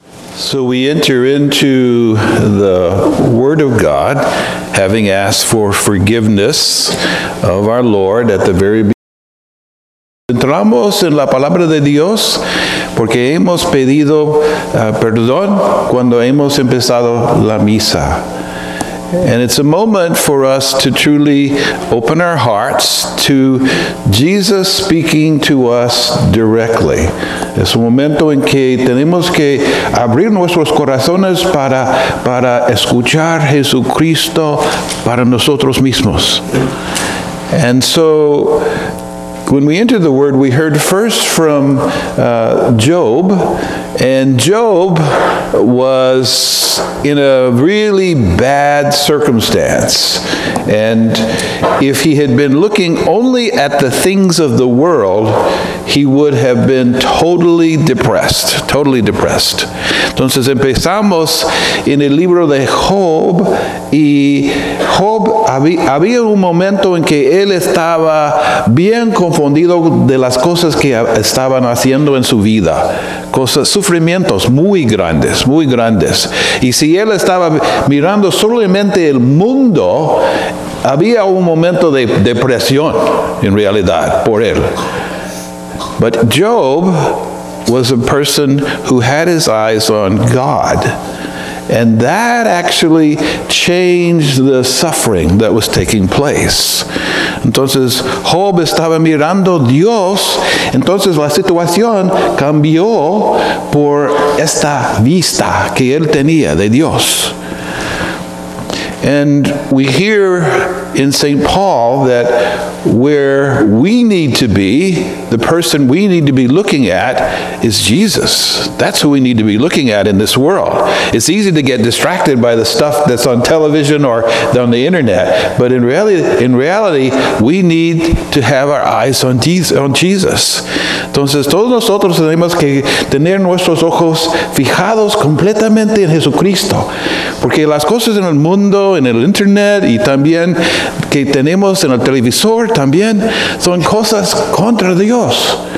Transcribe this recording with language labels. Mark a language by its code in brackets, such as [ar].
[en] So we enter into the Word of God, having asked for forgiveness of our Lord at the very beginning. [es] Entramos en la palabra de Dios porque hemos pedido perdón cuando hemos empezado la misa. [en] And it's a moment for us to truly open our hearts to Jesus speaking to us directly. [es] Es un momento en que tenemos que abrir nuestros corazones para escuchar Jesucristo para nosotros mismos. [en] And so, when we entered the Word, we heard first from Job, and Job was in a really bad circumstance. And if he had been looking only at the things of the world, he would have been totally depressed, totally depressed. [es] Entonces empezamos en el libro de Job, y Job había un momento en que él estaba bien confundido de las cosas que estaban haciendo en su vida. Cosas, sufrimientos muy grandes, muy grandes. Y si él estaba mirando solamente el mundo, había un momento de depresión en realidad por él. [en] But Job was a person who had his eyes on God. And that actually changed the suffering that was taking place. [es] Entonces, Job estaba mirando Dios. Entonces, la situación cambió por esta vista que él tenía de Dios. [en] And we hear in St. Paul that where we need to be, the person we need to be looking at is Jesus. That's who we need to be looking at in this world. It's easy to get distracted by the stuff that's on television or on the internet, but in reality, we need to have our eyes on Jesus. [es] Entonces, todos nosotros tenemos que tener nuestros ojos fijados completamente en Jesucristo. Porque las cosas en el mundo, en el internet, y también que tenemos en el televisor, también son cosas contra Dios.